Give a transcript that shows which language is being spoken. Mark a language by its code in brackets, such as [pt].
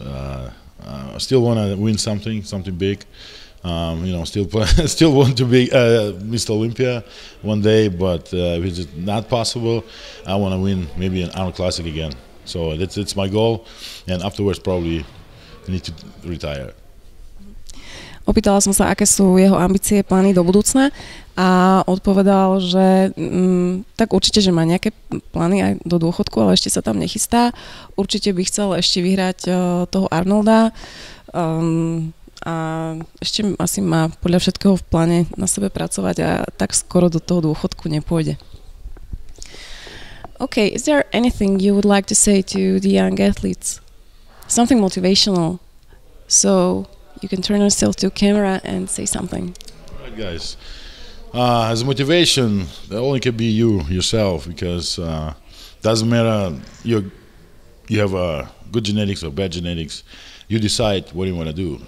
[en] I still want to win something big, you know, still want to be Mr. Olympia one day, but if it's not possible, I want to win maybe an Arnold Classic again. So, that's my goal, and afterwards probably need to retire. [sk] Opýtala som sa, aké sú jeho ambície, plány do budúcna a odpovedal, že tak určite, že má nejaké plány aj do dôchodku, ale ešte sa tam nechystá. Určite by chcel ešte vyhrať toho Arnolda a ešte asi má podľa všetkého v pláne na sebe pracovať a tak skoro do toho dôchodku nepôjde. [en] Okay, is there anything you would like to say to the young athletes? Something motivational. So, you can turn yourself to camera and say something. All right, guys. As a motivation, that only can be you, yourself, because doesn't matter you have a good genetics or bad genetics, you decide what you want to do.